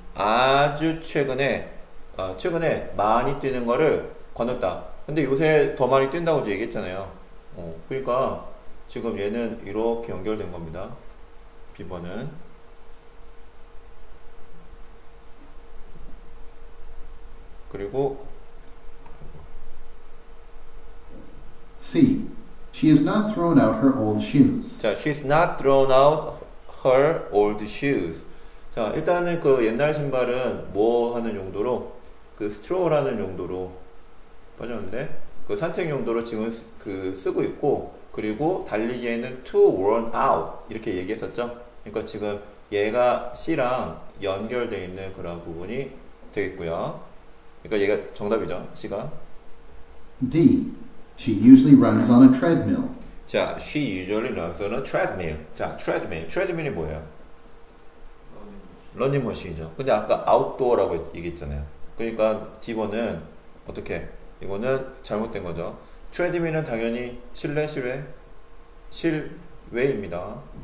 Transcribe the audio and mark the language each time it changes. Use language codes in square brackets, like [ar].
[ko] 아주 최근에 최근에 많이 뛰는 거를 건넜다. 근데 요새 더 많이 뛴다고 얘기했잖아요. 그러니까 지금 얘는 이렇게 연결된 겁니다. B번은 그리고 [en] C. She has not thrown out her old shoes. 자, she's not thrown out her old shoes. [ko] 자, 일단은 그 옛날 신발은 뭐 하는 용도로? 그 스트롤하는 용도로 빠졌는데 그 산책 용도로 지금 쓰고 있고 그리고 달리기에는 [en] too worn out [ko] 이렇게 얘기했었죠. 그러니까 지금 얘가 C랑 연결되어 있는 그런 부분이 되겠고요. 그러니까 얘가 정답이죠. C가 [en] D. She usually runs on a treadmill. 자, she usually runs on a treadmill. 자, treadmill. [ko] treadmill이 뭐예요? 러닝머신이죠. 근데 아까 outdoor라고 얘기했잖아요. 그러니까 집어는 어떻게? 이거는 잘못된 거죠. 트레드밀은 당연히 실내 실외 실외입니다.